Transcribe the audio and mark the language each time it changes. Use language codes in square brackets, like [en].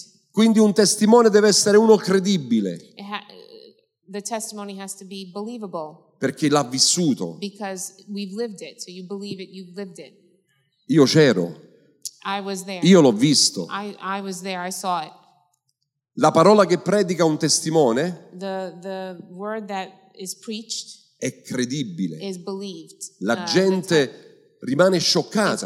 [it] Quindi un testimone deve essere uno credibile. [en] The testimony has to be believable. [it] Perché l'ha vissuto. [en] Because we've lived it, so you believe it, you've lived it. [it] Io c'ero. [en] I was there. [it] Io l'ho visto. [en] I was there, I saw it. [it] La parola che predica un testimone [en] the word that is preached [it] è credibile. [en] Is believed. [it] La gente rimane scioccata.